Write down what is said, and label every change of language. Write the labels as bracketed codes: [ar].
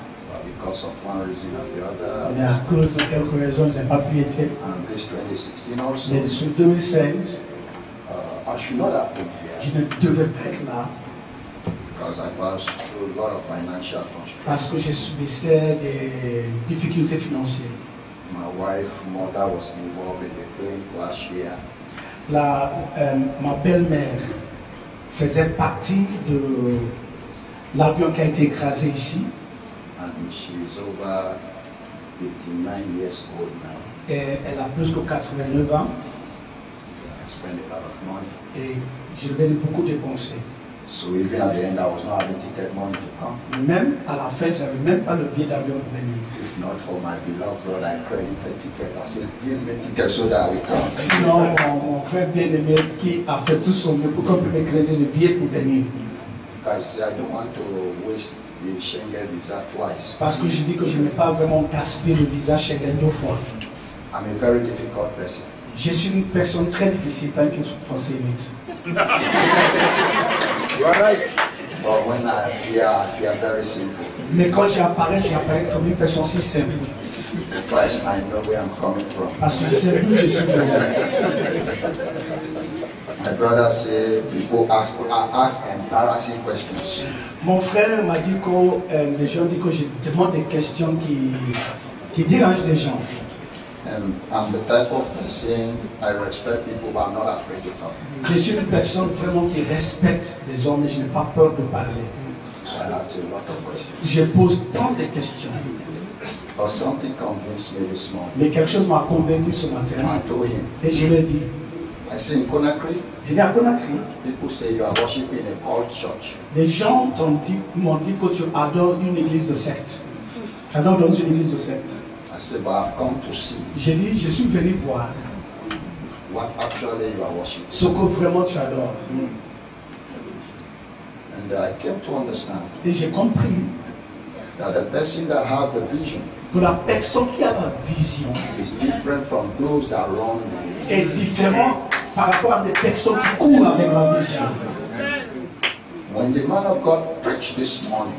[en] But because of one reason or the other. [fr] Mais à cause de quelques raisons, je n'ai pas pu y être. [en] And this 2016 also. [fr] Mais sur 2016, [en] I should not have been here. [fr] Je ne devais pas être là. [en] Because I passed through a lot of financial constraints. [fr] Parce que j'ai subissais des difficultés financières. [en] My wife, mother was involved in the plane crash here. [fr] La ma belle-mère faisait partie de l'avion qui a été écrasé ici. [en] And she is over 89 years old now. [fr] Et elle a plus que 89 ans. [en] Yeah, I spend a lot of money. [fr] Et je lui ai donné beaucoup de conseils. [en] So even at the end, I was not having to get money to come. [fr] Même à la fin, j'avais même pas le billet d'avion pour venir. [en] If not for my beloved brother, I prayed for a ticket. I said, give me a ticket so that we can. [fr] Sinon, mon frère bien-aimé qui a fait tout son mieux pour qu'on puisse me créer le billet pour venir. [en] Because I don't want to waste the Schengen visa twice. [fr] Parce que je dis que je n'ai pas vraiment gaspillé le visa Schengen deux fois. [en] I'm a very difficult person. [fr] Je suis une personne très difficile, tant que vous pensez vite. [en] But when I appear very simple. [fr] Mais quand j'apparais comme une personne si simple. [en] Because I know where I'm coming from. [fr] Parce que je sais d'où je suis venu. [en] My brother said people ask embarrassing questions. [fr] Mon frère m'a dit que les gens disent que je demande des questions qui dérangent les gens. [en] And I'm the type of person I respect people, but I'm not afraid to talk. [fr] Je suis une personne vraiment qui respecte les gens, mais je n'ai pas peur de parler. [en] So I ask a lot of questions. [fr] Je pose tant de questions. [en] But something convinced me this morning. [fr] Mais quelque chose m'a convaincu ce matin. [en] I told him. [fr] Et je lui ai dit. [en] I said in Conakry. [fr] Je dis à Conakry. [en] People say you are worshiping a cult church. [fr] Les gens m'ont dit que tu adores une église de secte. Tu adores dans une église de secte. [en] I said, but I've come to see. [fr] J'ai dit, je suis venu voir. [en] What actually you are worshiping. [fr] Ce que vraiment tu adores. [en] And I came to understand. [fr] Et j'ai compris. [en] That the person that have the vision. [fr] Que la personne qui a la vision. [en] Is different from those that run with the [fr] vision. Est différent par rapport à des personnes qui courent avec la vision. [en] When the man of God preached this morning.